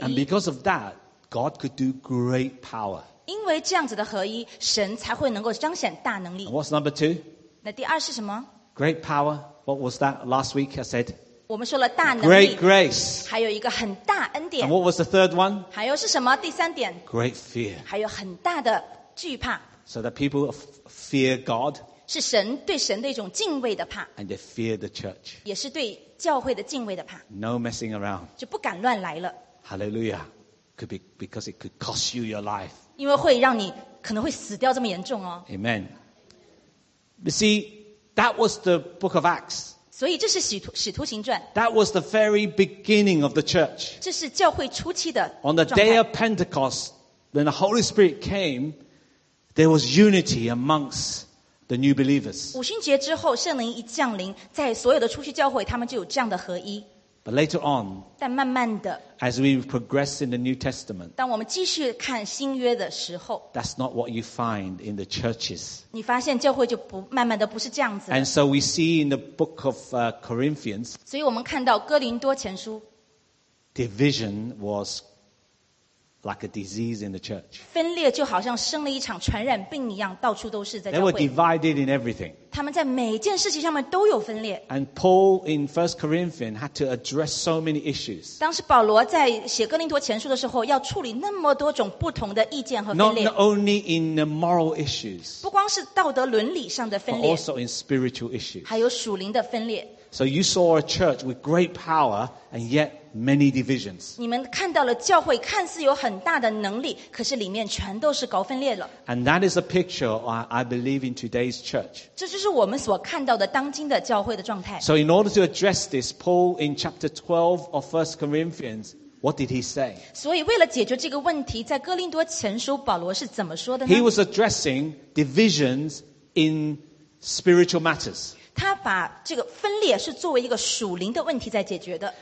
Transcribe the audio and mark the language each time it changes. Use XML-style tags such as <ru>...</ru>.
<en>And because of that, God could do great power.</en> <zh>因为这样子的合一，神才会能够彰显大能力。</zh> <en>And what's number two?</en> <zh>那第二是什么？</zh> <en>Great power. What was that last week I said?</en> <zh>我们说了大能力，</zh> <en>Great grace.</en> <zh>还有一个很大恩典。</zh> <en>And what was the third one?</en> <zh>还有是什么？第三点。</zh> <en>Great fear.</en> <zh>还有很大的惧怕。</zh> <en>So that people fear God.</en> <zh>是神对神的一种敬畏的怕。</zh> <en>And they fear the church.</en> <zh>也是对教会的敬畏的怕。</zh> <en>No messing around.</en> <zh>就不敢乱来了。</zh> <en>Hallelujah. could be because it could cost you your life.</en> <zh>因为会让你可能会死掉这么严重哦。</zh> <en>Amen. You see, that was the book of Acts.</en> <zh>所以这是使徒行传。</zh> <en>That was the very beginning of the church.</en> <zh>这是教会初期的状态。</zh> <en>On the day of Pentecost, when the Holy Spirit came, there was unity amongst the new believers.</en> <zh>五旬节之后，圣灵一降临，在所有的初期教会，他们就有这样的合一。</zh> <en>But later on,</en> <zh>但慢慢的</zh> <en>as we progress in the New Testament,</en> <zh>当我们继续看新约的时候</zh> <en>that's not what you find in the churches.</en> <zh>你发现教会就不慢慢的不是这样子了</zh> <en>And so we see in the book of Corinthians,</en> <zh>所以我们看到哥林多前书</zh> <en>division was like a disease in the church.</en> <zh>分裂就好像生了一场传染病一样，到处都是在教会</zh> <en>They were divided in everything.</en> <zh>他们在每件事情上面都有分裂。</zh> <en>And Paul in 1 Corinthians had to address so many issues.</en> <zh>当时保罗在写哥林多前书的时候，要处理那么多种不同的意见和分裂。</zh> <en>Not only in the moral issues.</en> <zh>不光是道德伦理上的分裂。</zh> <en>But also in spiritual issues.</en> <zh>还有属灵的分裂。</zh> <en>So you saw a church with great power and yet many divisions.</en> <zh>你们看到了教会看似有很大的能力，可是里面全都是搞分裂了。</zh> <en>And that is a picture I believe in today's church.</en> <zh>这就是我们所看到的当今的教会的状态。</zh> <en>So in order to address this, Paul in chapter 12 of 1 Corinthians, what did he say?</en> <zh>所以为了解决这个问题，在哥林多前书保罗是怎么说的呢？</zh> <en>He was addressing divisions in spiritual matters.</en> <zh>他把这个分裂是作为一个属灵的问题在解决的。</zh>